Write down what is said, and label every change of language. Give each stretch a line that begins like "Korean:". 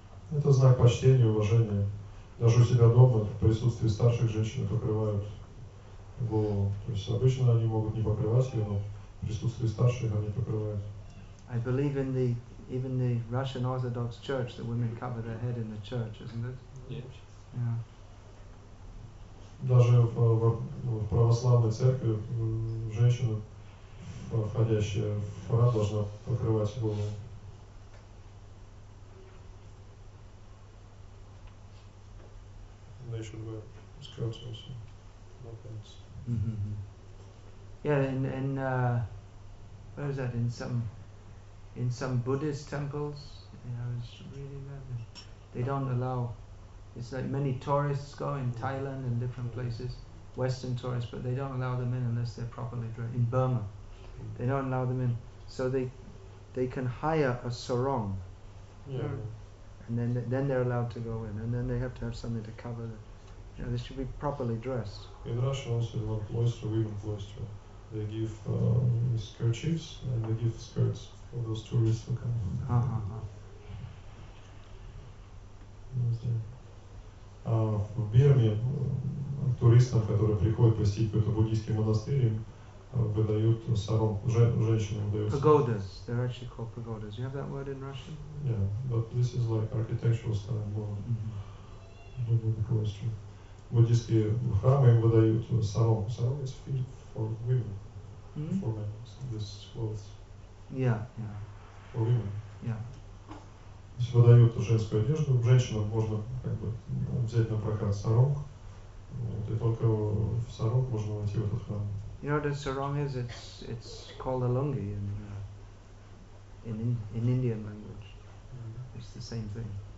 Russian: Это знак почтения, уважения. Даже у себя дома в присутствии старших женщин покрывают голову. То есть обычно они могут не покрывать ее, но в присутствии старших они покрывают.
English: I believe in the even the Russian Orthodox Church that women cover their head in the church, isn't it? Yeah.
Russian: Даже в православной церкви женщина, входящая в храм, должна покрывать голову.
English: They should wear skirts also, no pants. Mm-hmm. Yeah, in where is that? In some Buddhist temples, yeah, I was reading that they don't allow. It's like many tourists go in Thailand and different places, Western tourists, but they don't allow them in unless they're properly dressed. In Burma, they don't allow them in, so they can hire a sarong, yeah, and then they're allowed to go in, and then they have to have something to cover them. You know, they should be properly dressed. In Russia also, in one cloister, women cloister, they give kerchiefs and they give skirts for those tourists who come.
Russian: В Бирме туристам, которые приходят посетить какой-то буддийский монастырь, им выдают саром, женщинам выдают.
English: Pagodas, they're actually called pagodas. You have that word in Russian? Yeah, but this is like architectural style, more women cloister.
Russian: Буддийские храмы им выдают саром.
English: Саром is for women, for men, this clothes. Yeah. For women. Yeah.
Russian: То есть выдают женскую одежду, женщинам можно как бы взять на прокат саром, и только в саром можно войти в этот храм.
English: You know what a sarong is? It's called a lungi in Indian language. It's the same thing.